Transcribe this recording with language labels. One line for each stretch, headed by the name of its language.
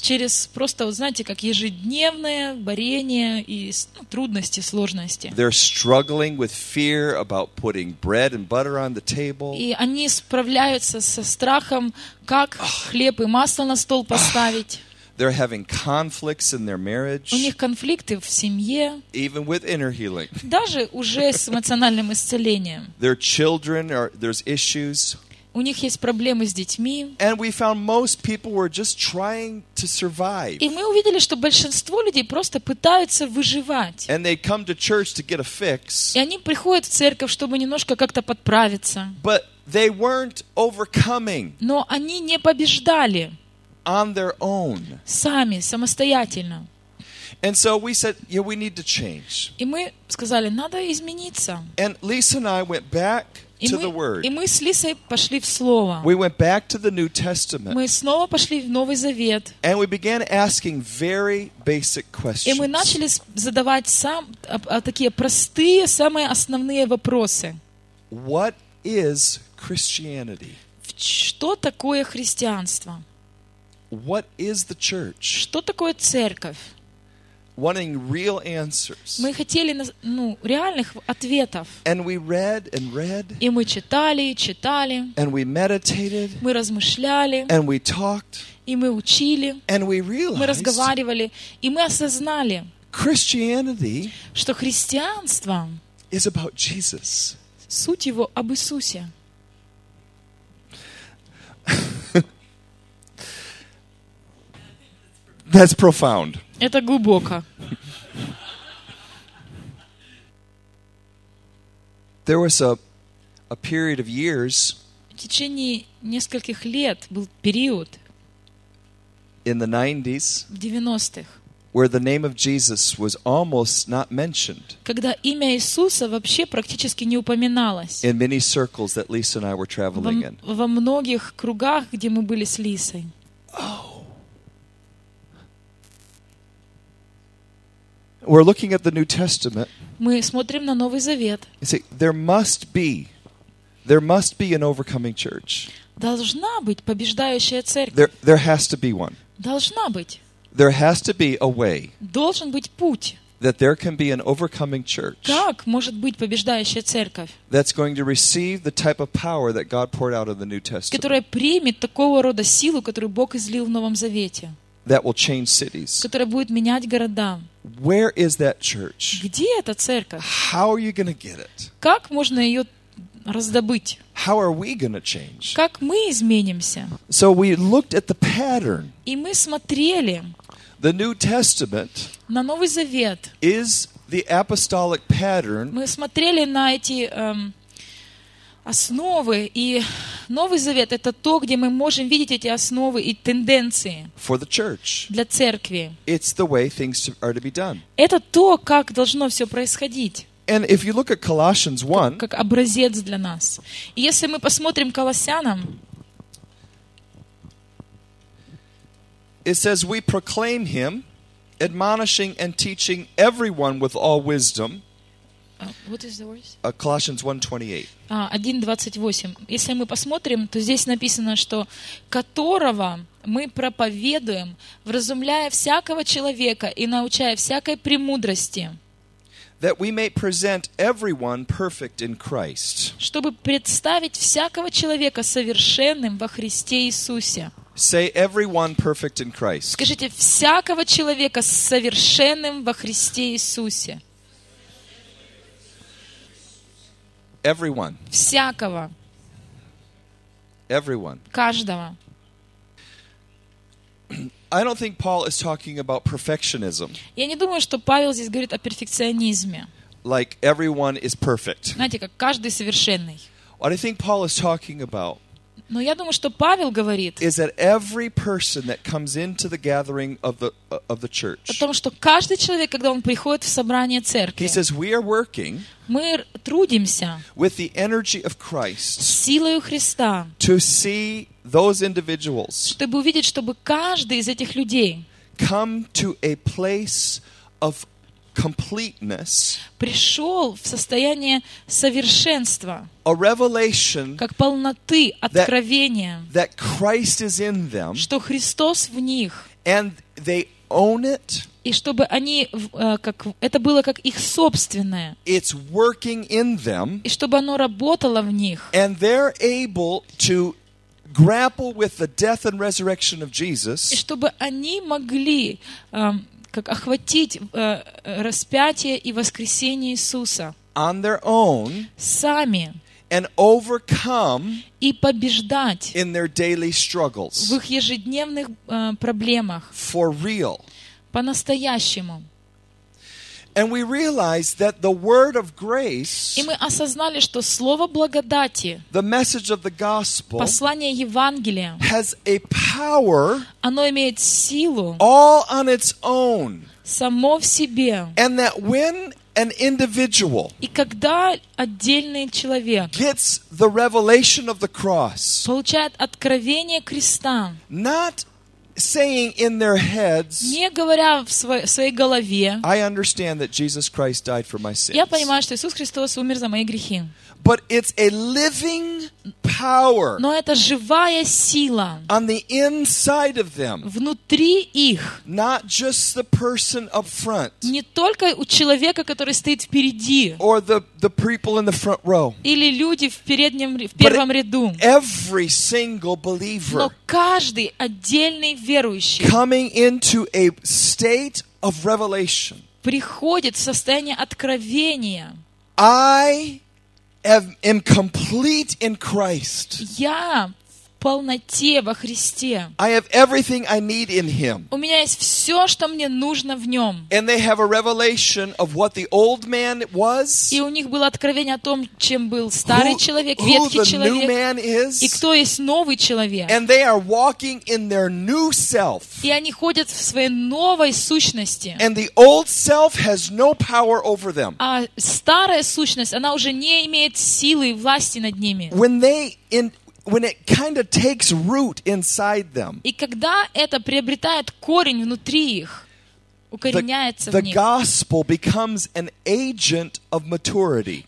Russian: Через просто, вот знаете, как ежедневное борение и, ну, трудности, сложности.
English: They're struggling with fear about putting bread and butter on the table.
Russian: И они справляются со страхом, как хлеб и масло на стол поставить.
English: They're having conflicts in their marriage.
Russian: У них конфликты в семье.
English: Even with inner healing.
Russian: Даже уже с эмоциональным исцелением.
English: Their children are, there's issues.
Russian: У них есть проблемы с детьми.
English: And we found most people were just trying to survive.
Russian: И мы увидели, что большинство людей просто пытаются выживать.
English: And they come to church to get a fix.
Russian: И они приходят в церковь, чтобы немножко как-то подправиться.
English: But they weren't overcoming.
Russian: Но они не побеждали.
English: On their own.
Russian: Сами, самостоятельно.
English: And so we said, yeah, we need to change.
Russian: И мы сказали, надо измениться.
English: And Lisa and I went back to the Word.
Russian: И мы с Лисой пошли в Слово.
English: We went back to the New Testament.
Russian: Мы снова пошли в Новый Завет.
English: And we began asking very basic questions.
Russian: И мы начали задавать такие простые, самые основные вопросы.
English: What is Christianity?
Russian: Что такое христианство?
English: What is the church?
Russian: Что такое церковь?
English: Wanting real answers.
Russian: Мы хотели, ну, реальных ответов.
English: And we read and read.
Russian: И мы читали и читали.
English: And we meditated.
Russian: Мы размышляли.
English: And we talked.
Russian: И мы учили.
English: And we realized.
Russian: Мы разговаривали и мы осознали.
English: Christianity.
Russian: Что христианство.
English: Is about Jesus.
Russian: Суть его об Иисусе.
English: That's profound.
Russian: Это глубоко.
English: There was a period of years.
Russian: В течение нескольких лет был период.
English: In the 90s.
Russian: В 90-х.
English: Where the name of Jesus was almost not mentioned.
Russian: Когда имя Иисуса вообще практически не упоминалось.
English: In many circles that Lisa and I were traveling in.
Russian: Во многих кругах, где мы были с Лисой. Oh.
English: We're looking at the New Testament.
Russian: Мы смотрим на Новый Завет.
English: There must be an overcoming church.
Russian: Должна быть побеждающая церковь.
English: There has to be one.
Russian: Должна быть.
English: There has to be a way.
Russian: Должен быть путь.
English: That there can be an overcoming church.
Russian: Как может быть побеждающая церковь?
English: That's going to receive the type of power that God poured out of the New Testament.
Russian: Которая примет такого рода силу, которую Бог излил в Новом Завете.
English: That will change cities.
Russian: Которая будет менять города.
English: Where is that church?
Russian: Где эта церковь?
English: How are you going to get it?
Russian: Как можно ее раздобыть?
English: How are we going to change?
Russian: Как мы изменимся?
English: So we looked at the pattern.
Russian: И мы смотрели.
English: The New Testament.
Russian: На Новый Завет.
English: Is the apostolic pattern.
Russian: Мы смотрели на эти основы, и Новый Завет — это то, где мы можем видеть эти основы и тенденции для церкви.
English: It's the way things are to be done.
Russian: Это то, как должно все происходить.
English: And if you look at Colossians 1,
Russian: как образец для нас. И если мы посмотрим Колоссянам,
English: it says, we proclaim him, admonishing and teaching everyone with all wisdom. What is the verse? Colossians 1:28. 1:28.
Russian: Если мы посмотрим, то здесь написано, что которого мы проповедуем, вразумляя всякого человека и научая всякой премудрости.
English: That we may present everyone perfect in Christ.
Russian: Чтобы представить всякого человека совершенным во Христе Иисусе.
English: Say everyone perfect in Christ.
Russian: Скажите всякого человека совершенным во Христе Иисусе.
English: Everyone.
Russian: Всякого.
English: Everyone.
Russian: Каждого.
English: I don't think Paul is talking about perfectionism.
Russian: Я не думаю, что Павел здесь говорит о перфекционизме.
English: Like everyone is perfect.
Russian: Знаете, как каждый совершенный.
English: What I think Paul is talking about.
Russian: Но я думаю, что Павел говорит.
English: Is that every person that comes into the gathering of the church?
Russian: О том, что каждый человек, когда он приходит в собрание церкви.
English: He says we are working.
Russian: Мы трудимся.
English: With the energy of Christ.
Russian: Силою Христа.
English: To see those individuals.
Russian: Чтобы увидеть, чтобы каждый из этих людей.
English: Come to a place of completeness.
Russian: Пришёл в состояние совершенства.
English: A revelation.
Russian: Как полноты откровения.
English: That Christ is in them.
Russian: Что Христос в них.
English: And they own it.
Russian: И чтобы они как это было как их собственное.
English: It's working in them.
Russian: И чтобы оно работало в них.
English: And they're able to grapple with the death and resurrection of Jesus.
Russian: И чтобы они могли как охватить распятие и воскресение Иисуса
English: on their own
Russian: сами
English: and overcome
Russian: и побеждать
English: in their daily struggles
Russian: в их ежедневных проблемах
English: for real
Russian: по-настоящему.
English: And we realized that the word of grace,
Russian: и мы осознали, что слово благодати,
English: the message of the gospel,
Russian: послание Евангелия,
English: has a power,
Russian: оно имеет силу,
English: all on its own,
Russian: само в себе,
English: and that when an individual,
Russian: и когда отдельный человек,
English: gets the revelation of the cross,
Russian: получает откровение креста,
English: not saying in their heads,
Russian: не говоря в своей голове,
English: I understand that Jesus Christ died for my sins.
Russian: Я понимаю, что Иисус Христос умер за мои грехи.
English: But it's a living power.
Russian: Но это живая сила.
English: On the inside of them.
Russian: Внутри их.
English: Not just the person up front.
Russian: Не только у человека, который стоит впереди.
English: Or the people in the front row.
Russian: Или люди в переднем в первом ряду.
English: Every single believer.
Russian: Но каждый отдельный верующий.
English: Coming into a state of revelation.
Russian: Приходит в состояние откровения.
English: I am complete in Christ.
Russian: Я в полноте во Христе.
English: I have everything I need in Him.
Russian: У меня есть все, что мне нужно в Нем.
English: And they have a revelation of what the old man was.
Russian: И у них было откровение о том, чем был старый человек, ветхий человек.
English: Who the new man is.
Russian: И кто есть новый человек.
English: And they are walking in their new self.
Russian: И они ходят в своей новой сущности.
English: And the old self has no power over them.
Russian: А старая сущность, она уже не имеет силы и власти над ними.
English: When it kind of takes root inside them.
Russian: И когда это приобретает корень внутри их, укореняется в них.
English: The gospel becomes an agent of maturity.